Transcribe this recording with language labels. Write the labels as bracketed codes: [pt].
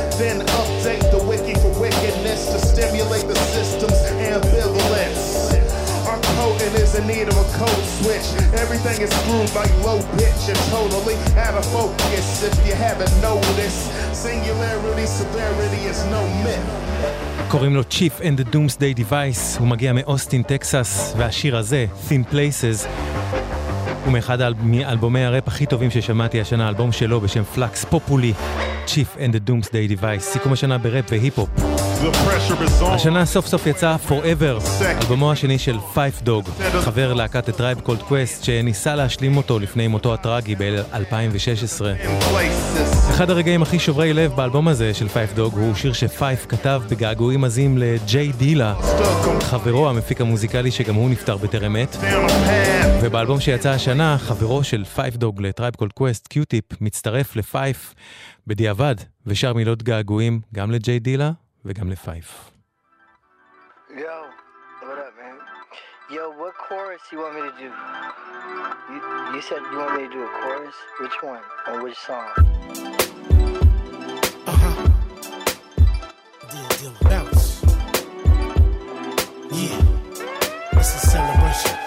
[en] Then update the wiki for wickedness to stimulate the system's ambivalence. Coding is in need of a code switch. Everything is screwed like low pitch and totally out of focus. If you haven't noticed, singularity, severity is no myth. [he] קוראים לו Chief and the Doomsday Device. הוא מגיע מאוסטין, טקסס, והשיר הזה, Thin Places, ומאחד מאלבומי הראפ הכי טובים ששמעתי השנה, אלבום שלו בשם פלקס פופולי, צ'יף אנד דה דומסדיי דיווייס, סיכום השנה בראפ והיפ-הופ. השנה סוף סוף יצא Forever, אלבומו השני של Five Dog, חבר להקת הטרייב קולד קווסט, שניסה להשלים אותו לפני מותו הטרגי ב-2016. אחד הרגעים הכי שוברי לב באלבום הזה של Five Dog הוא שיר שפייף כתב בגעגועים עזים לג'יי דילה, חברו המפיק המוזיקלי שגם הוא נפטר בטרם עת. ובאלבום שיצא השנה, חברו של Five Dog לטרייב קולד קווסט, קיוטיפ, מצטרף לפייף בדיעבד, ושר מילות געגועים גם לג'יי דילה. וגם לפייף. [en] Yo, what up, man? Yo, what chorus you want me to do? You said you want me to do a chorus? Which one? On which song? Uh-huh. Deal, bounce. Yeah. It's a celebration.